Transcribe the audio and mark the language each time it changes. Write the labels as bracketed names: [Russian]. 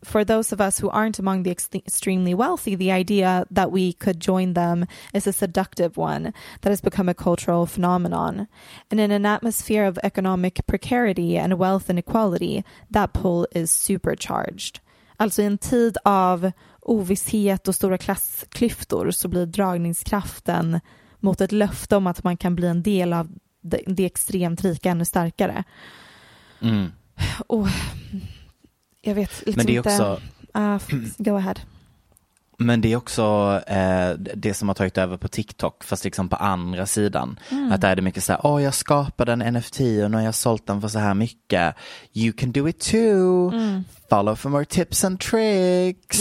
[English] For those of us who aren't among the extremely wealthy, the idea that we could join them is a seductive one that has become a cultural phenomenon. And in an atmosphere of economic precarity and wealth inequality, that pull is supercharged." [Swedish] Alltså i en tid av ovisshet och stora klassklyftor så blir dragningskraften mot ett löfte om att man kan bli en del av det extremt rika ännu starkare. Mm. Och jag vet liksom, men det är också, inte. [English] Go ahead. [Swedish] Men det är också det som har tagit över på TikTok, fast liksom på andra sidan. Mm. Att där är det mycket så här, jag skapade en NFT och nu har jag sålt den för så här mycket. [English] You can do it too. Mm. Follow for more tips and tricks.